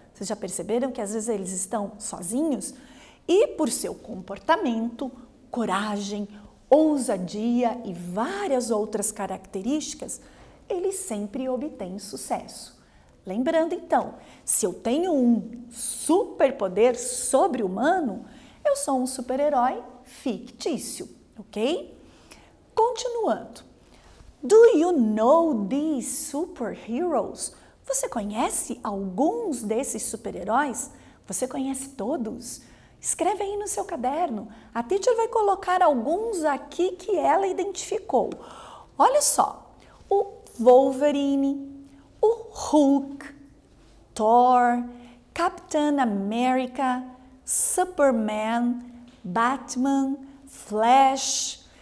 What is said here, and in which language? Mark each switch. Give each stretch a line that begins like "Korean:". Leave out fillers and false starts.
Portuguese: Vocês já perceberam que às vezes eles estão sozinhos? E por seu comportamento, coragem, ousadia e várias outras características, ele sempre obtém sucesso. Lembrando então, se eu tenho um superpoder sobre-humano, eu sou um super-herói fictício, ok? Continuando.
English: Do you know these superheroes?
Portuguese: Você conhece alguns desses super-heróis? Você conhece todos? Escreve aí no seu caderno. A teacher vai colocar alguns aqui que ela identificou. Olha só. O Wolverine, o Hulk, Thor, Capitão América, Superman, Batman, Flash.